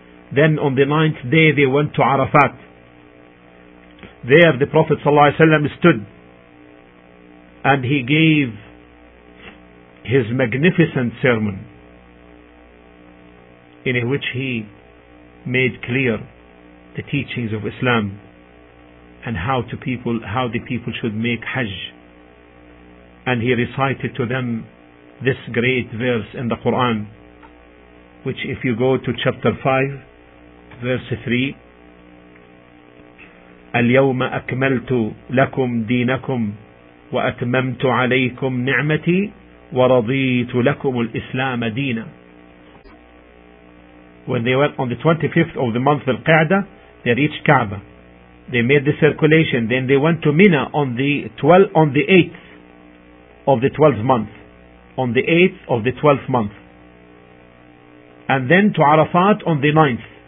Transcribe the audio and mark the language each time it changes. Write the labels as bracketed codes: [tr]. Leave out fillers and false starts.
[en] Then on the 9th day they went to Arafat. There the Prophet ﷺ stood and he gave his magnificent sermon, in which he made clear the teachings of Islam and how the people should make Hajj. And he recited to them this great verse in the Quran, which if you go to chapter 5, verse 3, [ar] اليوم أكملت لكم دينكم وأتممت عليكم نعمتي ورضيت لكم الإسلام دينا. [en] When they went on the 25th of the month of Al-Qa'dah, they reached Kaaba. They made the circulation. Then they went to Mina on the 8th of the 12th month. And then to Arafat on the 9th.